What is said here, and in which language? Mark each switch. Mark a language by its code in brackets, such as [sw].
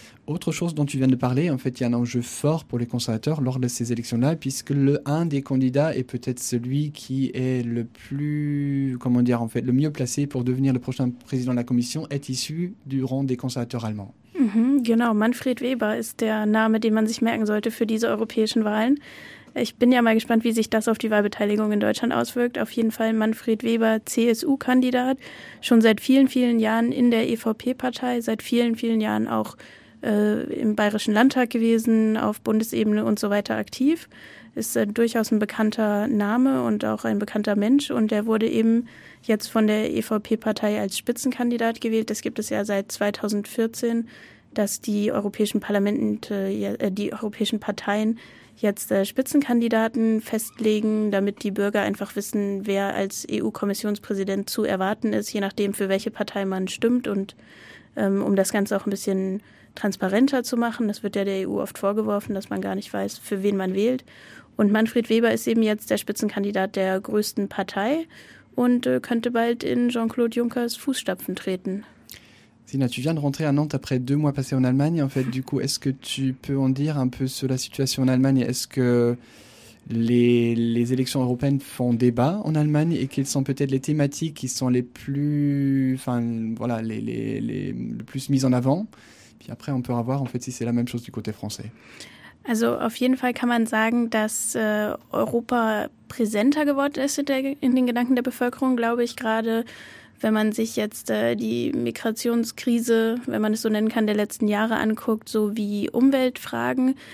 [fr] Autre chose dont tu viens de parler, en fait, il y a un enjeu fort pour les conservateurs lors de ces élections-là, puisque un des candidats est peut-être celui qui est le plus, comment dire, en fait, le mieux placé pour devenir le prochain président de la Commission est issu du rang des conservateurs allemands. [de] Genau, Manfred Weber ist der Name, den man sich merken sollte für diese europäischen Wahlen. Ich bin ja mal gespannt, wie sich das auf die Wahlbeteiligung in Deutschland auswirkt. Auf jeden Fall Manfred Weber, CSU-Kandidat, schon seit vielen, vielen Jahren in der EVP-Partei, seit vielen, vielen Jahren auch im Bayerischen Landtag gewesen, auf Bundesebene und so weiter aktiv. Ist durchaus ein bekannter Name und auch ein bekannter Mensch. Und der wurde eben jetzt von der EVP-Partei als Spitzenkandidat gewählt. Das gibt es ja seit 2014, dass die europäischen Parlamente, die europäischen Parteien jetzt Spitzenkandidaten festlegen, damit die Bürger einfach wissen, wer als EU-Kommissionspräsident zu erwarten ist, je nachdem, für welche Partei man stimmt. Und um das Ganze auch ein bisschen transparenter zu machen, das wird ja der EU oft vorgeworfen, dass man gar nicht weiß, für wen man wählt. Und Manfred Weber ist eben jetzt der Spitzenkandidat der größten Partei und könnte bald in Jean-Claude Junckers Fußstapfen treten. [fr] Sina, tu viens de rentrer à Nantes après 2 mois passés en Allemagne. En fait, du coup, est-ce que tu peux en dire un peu sur la situation en Allemagne? Est-ce que les élections européennes font débat en Allemagne et quelles sont peut-être les thématiques qui sont les plus, enfin voilà, les plus mises en avant? Puis après, on peut voir en fait si c'est la même chose du côté français. [de] Also auf jeden Fall kann man sagen, dass Europa präsenter geworden ist in den Gedanken der Bevölkerung, glaube ich, gerade wenn man sich jetzt die Migrationskrise, wenn man es so nennen kann, der letzten Jahre anguckt, so wie Umweltfragen.